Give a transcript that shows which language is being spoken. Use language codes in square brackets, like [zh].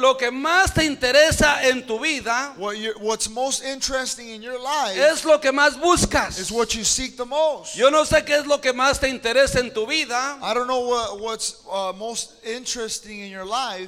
[es] Lo que más te interesa en tu vida, [en] what's most interesting in your life, [es] es lo que más buscas. [en] Is what you seek the most. [es] Yo no sé qué es lo que más te interesa en tu vida. [en] I don't know what's most interesting in your life.